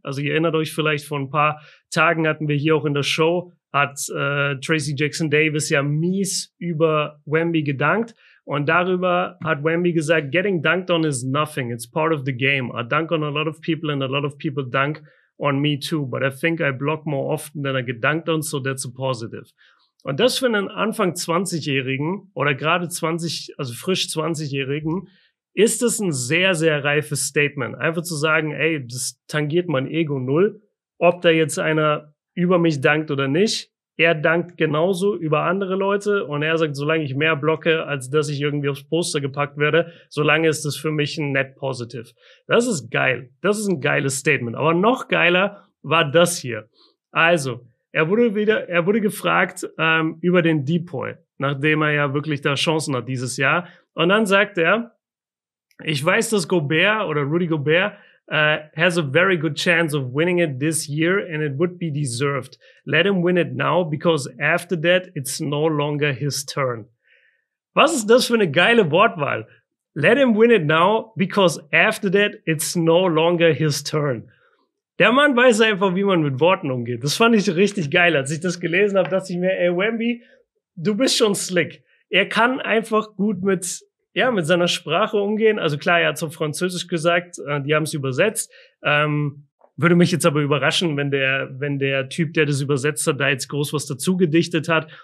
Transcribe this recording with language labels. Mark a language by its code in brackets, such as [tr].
[de] Also ihr erinnert euch vielleicht, vor ein paar Tagen hatten wir hier auch in der Show, hat Tracy Jackson Davis ja mies über Wemby gedankt. Und darüber hat Wemby gesagt, [en] getting dunked on is nothing. It's part of the game. I dunk on a lot of people and a lot of people dunk on me too. But I think I block more often than I get dunked on, so that's a positive. [de] Und das für einen Anfang 20-Jährigen oder gerade 20, also frisch 20-Jährigen, ist es ein sehr, sehr reifes Statement. Einfach zu sagen, ey, das tangiert mein Ego null. Ob da jetzt einer über mich dankt oder nicht. Er dankt genauso über andere Leute und er sagt, solange ich mehr blocke, als dass ich irgendwie aufs Poster gepackt werde, solange ist das für mich ein net positive. Das ist geil. Das ist ein geiles Statement. Aber noch geiler war das hier. Also, er wurde gefragt über den Depoy, nachdem er ja wirklich da Chancen hat dieses Jahr. Und dann sagt er, ich weiß, dass Gobert oder Rudy Gobert [en] has a very good chance of winning it this year and it would be deserved. Let him win it now, because after that, it's no longer his turn. [de] Was ist das für eine geile Wortwahl? [en] Let him win it now, because after that, it's no longer his turn. [de] Der Mann weiß einfach, wie man mit Worten umgeht. Das fand ich richtig geil. Als ich das gelesen habe, dachte ich mir, ey Wemby, du bist schon slick. Er kann einfach gut mit seiner Sprache umgehen. Also klar, er hat es auf Französisch gesagt, die haben es übersetzt. Würde mich jetzt aber überraschen, wenn der Typ, der das übersetzt hat, da jetzt groß was dazu gedichtet hat.